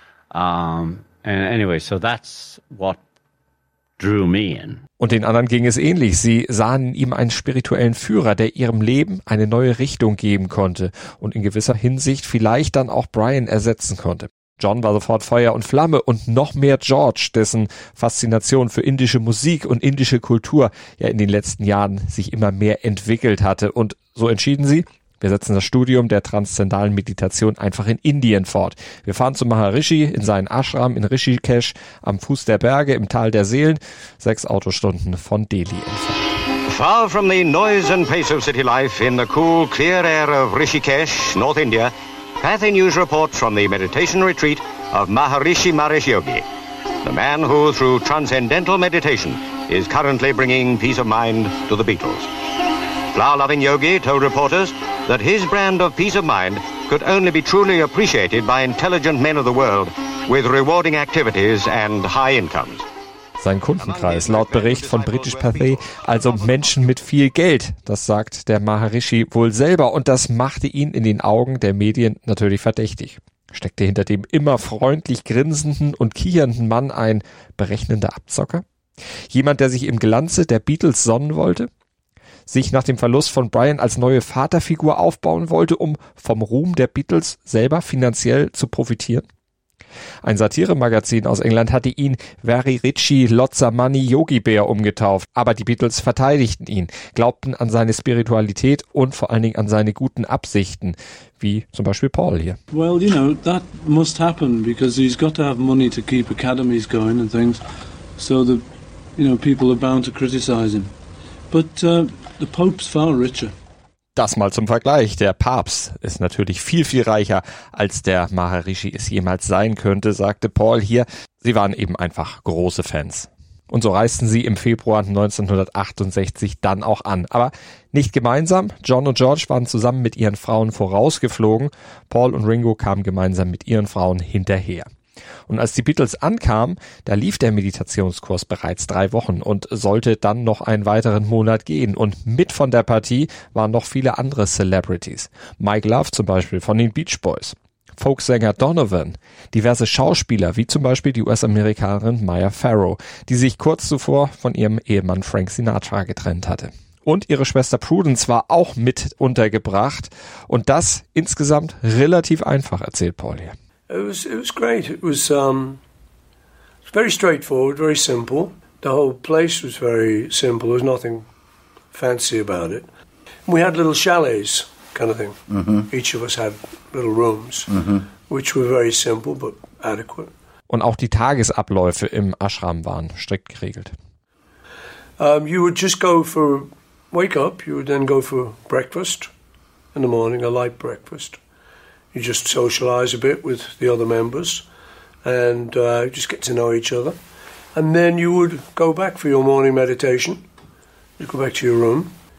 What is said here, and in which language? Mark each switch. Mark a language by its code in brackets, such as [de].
[en] And anyway, so that's what drew me in. [de] Und den anderen ging es ähnlich. Sie sahen in ihm einen spirituellen Führer, der ihrem Leben eine neue Richtung geben konnte und in gewisser Hinsicht vielleicht dann auch Brian ersetzen konnte. John war sofort Feuer und Flamme und noch mehr George, dessen Faszination für indische Musik und indische Kultur ja in den letzten Jahren sich immer mehr entwickelt hatte. Und so entschieden sie, wir setzen das Studium der transzendalen Meditation einfach in Indien fort. Wir fahren zu Maharishi in seinen Ashram in Rishikesh am Fuß der Berge im Tal der Seelen, 6 Autostunden von Delhi entfernt. [en] Far from the noise and pace of city life in the cool, clear air of Rishikesh, North India, Pathy News report from the meditation retreat of Maharishi Mahesh Yogi, the man who, through transcendental meditation, is currently bringing peace of mind to the Beatles. Flower-loving Yogi told reporters that his brand of peace of mind could only be truly appreciated by intelligent men of the world with rewarding activities and high incomes. [de] seinen Kundenkreis. Laut Bericht von British Pathé, also Menschen mit viel Geld, das sagt der Maharishi wohl selber. Und das machte ihn in den Augen der Medien natürlich verdächtig. Steckte hinter dem immer freundlich grinsenden und kichernden Mann ein berechnender Abzocker? Jemand, der sich im Glanze der Beatles sonnen wollte? Sich nach dem Verlust von Brian als neue Vaterfigur aufbauen wollte, um vom Ruhm der Beatles selber finanziell zu profitieren? Ein Satiremagazin aus England hatte ihn Very Richie Lotsamani Yogi Bear umgetauft, aber die Beatles verteidigten ihn, glaubten an seine Spiritualität und vor allen Dingen an seine guten Absichten, wie zum Beispiel Paul hier. [en] Well, you know, that must happen, because he's got to have money to keep academies going and things, so the, you know, people are bound to criticize him. But the Pope's far richer. [de] Das mal zum Vergleich. Der Papst ist natürlich viel, viel reicher, als der Maharishi es jemals sein könnte, sagte Paul hier. Sie waren eben einfach große Fans. Und so reisten sie im Februar 1968 dann auch an. Aber nicht gemeinsam. John und George waren zusammen mit ihren Frauen vorausgeflogen. Paul und Ringo kamen gemeinsam mit ihren Frauen hinterher. Und als die Beatles ankamen, da lief der Meditationskurs bereits 3 Wochen und sollte dann noch einen weiteren Monat gehen. Und mit von der Partie waren noch viele andere Celebrities. Mike Love zum Beispiel von den Beach Boys. Folksänger Donovan. Diverse Schauspieler, wie zum Beispiel die US-Amerikanerin Maya Farrow, die sich kurz zuvor von ihrem Ehemann Frank Sinatra getrennt hatte. Und ihre Schwester Prudence war auch mit untergebracht. Und das insgesamt relativ einfach, erzählt Paul hier. [en] It was great. It was very straightforward, very simple. The whole place was very simple. There was nothing fancy about it. We had little chalets, kind of thing. Mm-hmm. Each of us had little rooms, mm-hmm. which were very simple but adequate. [de] Und auch die Tagesabläufe im Ashram waren strikt geregelt. [en] You would just go for wake up. You would then go for breakfast in the morning, a light breakfast. You just socialize a bit with the other members and just get to know each other. And then you would go back for your morning meditation. You'd go back to your room.